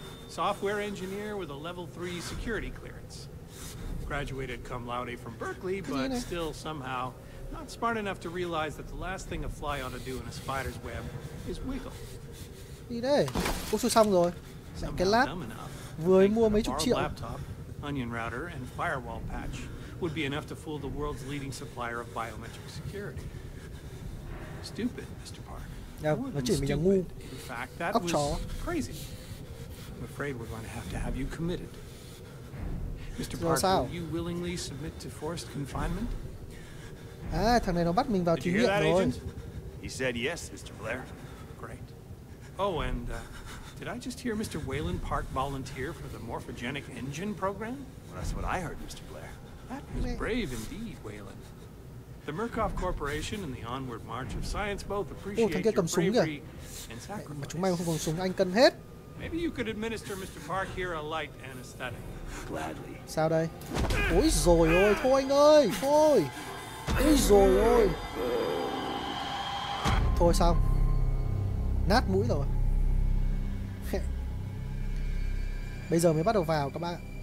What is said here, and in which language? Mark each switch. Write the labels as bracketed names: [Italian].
[English] Software engineer with a level 3 security clearance. Graduated cum laude from Berkeley, but still somehow not smart enough to realize that the last thing a fly ought to do in a spider's web is wiggle. [Vietnamese] Đi đây. Úi xui xong rồi. Mẹ cái lát vừa mua mấy chục triệu. [English] Laptop, onion router and firewall patch would be enough to fool the world's leading supplier of biometric security. Stupid, Mr. Park. [Vietnamese] Nó chỉ mình là ngu. [English] In fact, that was crazy. I'm afraid we're going to have you committed. Mr. Park, will you willingly submit to forced confinement? [Vietnamese] À, thằng này nó bắt mình vào thí nghiệm rồi. [English] He said yes, Mr. Blair. Great. Oh, and did I just hear Mr. Wayland Park volunteer for the morphogenic engine program? Well, that's what I heard, Mr. Blair. That was brave indeed, Wayland. The Murkoff Corporation and the onward march of science both appreciate your bravery and sacrifice. [Vietnamese] Mà chúng mày không còn súng, anh cần hết. [English] Maybe you could administer Mr. Park here a light anesthetic. Gladly. [Vietnamese] Sao đây? Ôi dồi ôi, thôi anh ơi, thôi. Ôi dồi ôi. Thôi xong. Nát mũi rồi. Bây giờ mới bắt đầu vào các bạn.